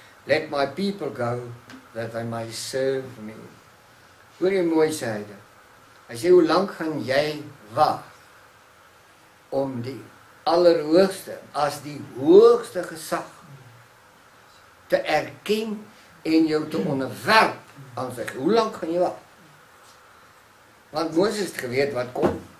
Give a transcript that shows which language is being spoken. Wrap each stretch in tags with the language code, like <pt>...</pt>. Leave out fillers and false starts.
<en>Let my people go, that they may serve me.</en> <af>Hoor jy mooi sê hy dit? Hy sê, hoe lang gaan jy wacht om die allerhoogste, as die hoogste gezag, te erken en jou te onderwerp aan sy? Hoe lang gaan jy wacht? Want Moses het geweet wat kom.</af>